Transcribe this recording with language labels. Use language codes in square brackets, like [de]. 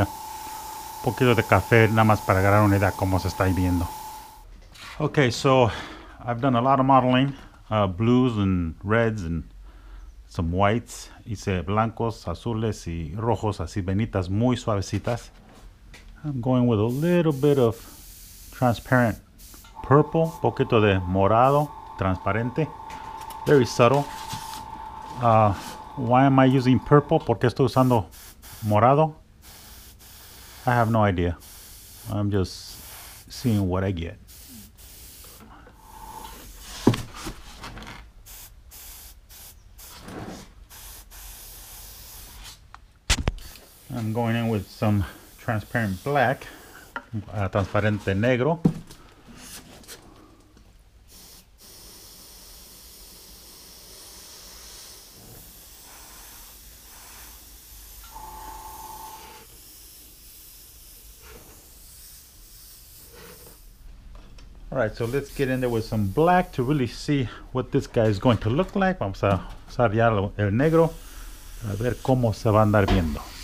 [es] Un poquito de café, nada más para agarrar una idea cómo se está viendo. [en] Okay, so I've done a lot of modeling, blues and reds and some whites. [es] Hice blancos, azules y rojos, así venitas muy suavecitas. [en] I'm going with a little bit of transparent purple, [es] poquito de morado, transparente, [en] very subtle. Why am I using purple? [es] ¿Por qué estoy usando morado? [en] I have no idea. I'm just seeing what I get. I'm going in with some transparent black, [es] transparente negro. [en] All right, so let's get in there with some black to really see what this guy is going to look like. [es] Vamos a usar ya el negro a ver cómo se va a andar viendo.